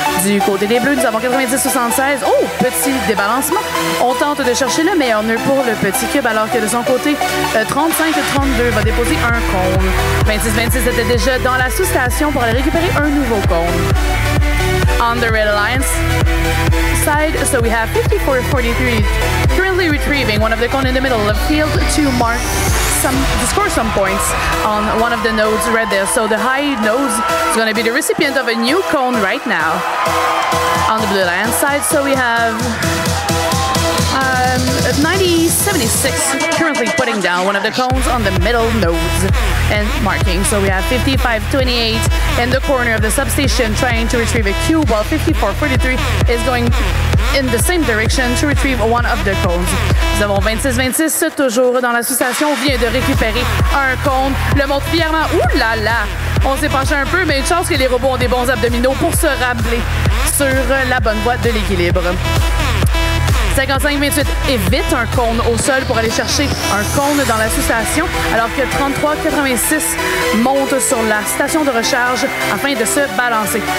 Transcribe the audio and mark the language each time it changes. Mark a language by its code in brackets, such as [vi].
[fr] Du côté des Bleus, nous avons 90-76. Oh, petit débalancement. On tente de chercher le meilleur nœud pour le petit cube, alors que de son côté, 35-32 va déposer un compte. 26-26 était déjà dans la sous-station pour aller récupérer un nouveau compte. [en] On the red alliance side, so we have 54-43 currently retrieving one of the cones in the middle of field to mark some, to score some points on one of the nodes right there. So the high nodes is going to be the recipient of a new cone right now. On the blue alliance side, so we have 90-76 currently putting down one of the cones on the middle nodes and marking. So we have 55-28 in the corner of the substation trying to retrieve a cube, while 54-43 is going in the same direction to retrieve one of the cones. [fr] Nous avons 26-26, toujours dans la sous-station, vient de récupérer un cône, le montre fièrement. Ouh là là! On s'est penché un peu, mais une chance que les robots ont des bons abdominaux pour se rappeler sur la bonne voie de l'équilibre. 55-28 évite un cône au sol pour aller chercher un cône dans la sous-station, alors que 33-86 monte sur la station de recharge afin de se balancer.